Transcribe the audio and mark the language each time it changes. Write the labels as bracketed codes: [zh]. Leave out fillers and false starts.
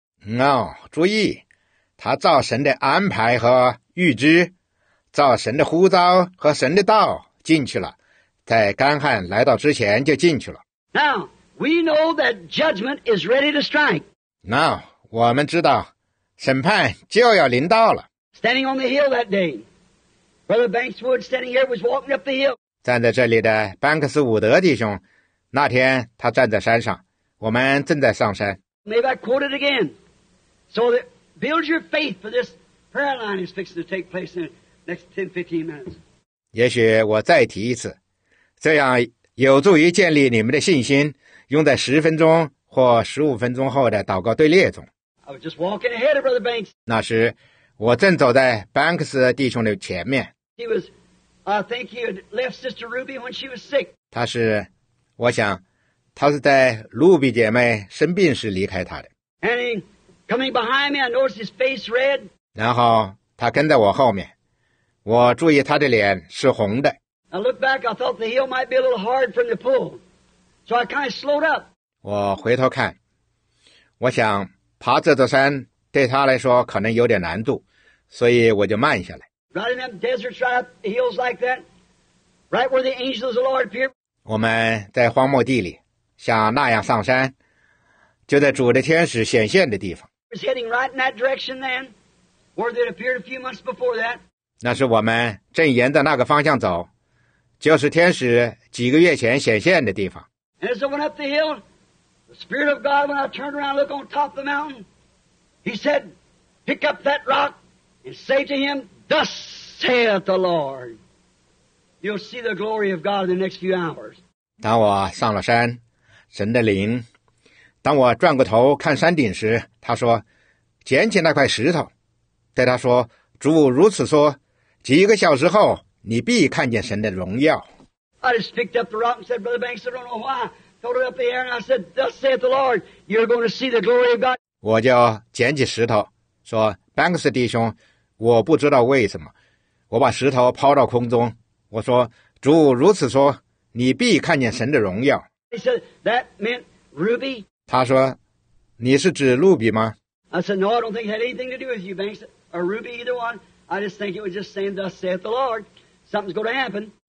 [en] No, [zh] 注意，他照神的安排和预知，照神的呼召和神的道进去了，在干旱来到之前就进去了。 [en] Now, we know that judgment is ready to strike. Now, [zh] 我们知道审判就要临到了。 [en] Standing on the hill that day, Brother Banks Wood standing here was walking up the hill. [zh] 站在这里的班克斯伍德弟兄，那天他站在山上，我们正在上山。 [en] Maybe I quote it again. So that build your faith for this prayer line is fixing to take place in the next 10-15 minutes. [zh] 也许我再提一次，这样有助于建立你们的信心，用在十分钟或十五分钟后的祷告队列中。 [en] I was just walking ahead of Brother Banks. [zh] 那时我正走在 Banks 弟兄的前面。 [en] He was, I think he had left Sister Ruby when she was sick. [zh] 他是，我想，他是在露比姐妹生病时离开他的。 [en] And he, coming behind me, I noticed his face red. [zh] 然后他跟在我后面，我注意他的脸是红的。 [en] I looked back, I thought the hill might be a little hard from the pull. So I kind of slowed up. [zh] 我回头看，我想爬这座山对他来说可能有点难度，所以我就慢下来。 [en] Right in them deserts, right up the hills like that, right where the angels of the Lord appear. [zh] 我们在荒漠地里，像那样上山，就在主的天使显现的地方。 [en] Was heading right in that direction then, where they appeared a few months before that. [zh] 那是我们正沿着那个方向走，就是天使几个月前显现的地方。 [en] And as I went up the hill. The Spirit of God, when I turned around and looked on top of the mountain, He said, pick up that rock and say to Him, Thus saith the Lord. You'll see the glory of God in the next few hours. [zh] 当我上了山，神的灵，当我转过头看山顶时，他说，捡起那块石头，对他说，主如此说，几个小时后，你必看见神的荣耀。 [en] I just picked up the rock and said, Brother Banks, I don't know why. Throw it up the air, and I said, "Thus saith the Lord, you're going to see the glory of God." [zh] 我就捡起石头，说 ，Banks 弟兄，我不知道为什么，我把石头抛到空中。我说，主如此说，你必看见神的荣耀。 [en] He said, "That meant Ruby." [zh] 他说，你是指露比吗 [en] ？I said, "No, I don't think it had anything to do with you, Banks or Ruby, either one. I just think it was just saying, 'Thus saith the Lord, something's going to happen.'"